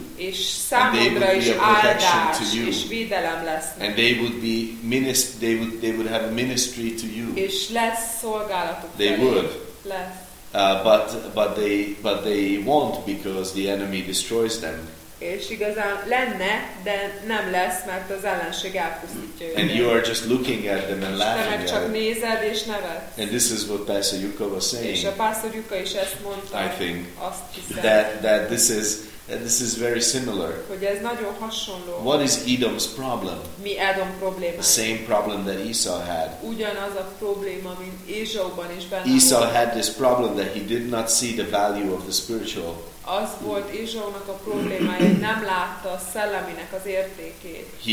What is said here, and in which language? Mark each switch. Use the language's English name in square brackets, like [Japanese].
[Hungarian] És számodra is áldás [English] to you. [Hungarian] És védelem lesznek. [English] And they would be they would have a ministry to you. [Hungarian] És lesz szolgálatuk. [English] They would. [Hungarian] Lesz. [English] But they won't because the enemy destroys them. [Hungarian] És igazán lenne, de nem lesz, mert az ellenség elpusztítja őket. [English] And you are just looking at them and laughing at them. [Hungarian] Csak nézel és nevetsz. [English] And this is what Pastor Yuka was saying. [Hungarian] És a Pastor Yuka is ezt mondta. [English] I think [Hungarian] azt hiszem, [English] that this is very similar. [Hungarian] Hogy ez nagyon hasonló. [English] What is Edom's problem? [Hungarian] Mi Edom probléma? [English] The same problem that Esau had. [Hungarian] Ugyanaz a probléma, mint Ézsauban is benne. [English] Esau had this problem that he did not see the value of the spiritual. [Hungarian] Az volt Ézsaunak a problémája, hogy nem látta a szelleminek az értékét.